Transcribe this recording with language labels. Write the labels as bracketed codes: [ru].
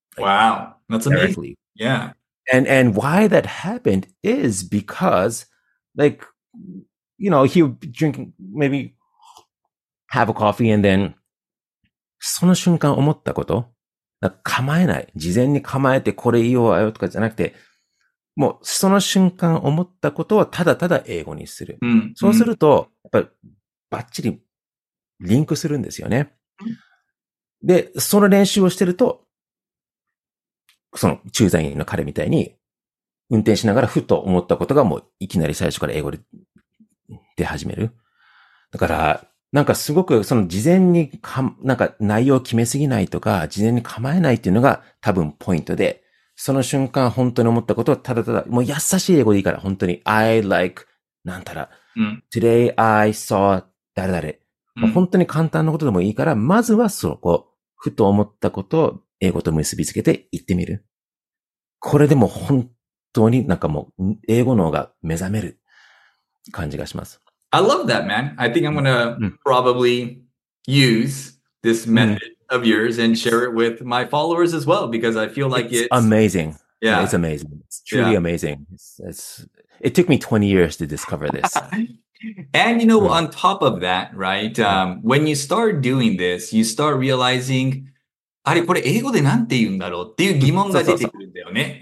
[en] Like, wow. That's directly. Amazing. Yeah. And why that happened is because like,You know, he would drink, maybe have a coffee and then, [ja] その瞬間思ったこと、なんか構えない。事前に構えてこれ言おうよとかじゃなくて、もうその瞬間思ったことをただただ英語にする。うん、そうすると、やっぱバッチリリンクするんですよね。で、その練習をしてると、その駐在員の彼みたいに、運転しながらふと思ったことがもういきなり最初から英語で、出始める。だから、なんかすごくその事前にか、なんか内容を決めすぎないとか、事前に構えないっていうのが多分ポイントで、その瞬間本当に思ったことはただただ、もう優しい英語でいいから、本当に、 [en] I like, [ja] なんたら、 [en] Today I saw [ja] 誰々、本当に簡単なことでもいいから、まずはそこ、ふと思ったことを英語と結びつけて言ってみる。これでも本当になんかもう英語の方が目覚める感じがします。 [en] I love that, man. I think I'm going to probably use this method of yours and share it with my followers as well, because I feel like it's amazing. Yeah, it's amazing. It's truly amazing. It took me 20 years to discover this. And, you know, on top of that, right, when you start doing this, you start realizing, [ja] あれ、これ英語でなんて言うんだろうっていう疑問が出てくるんだよね。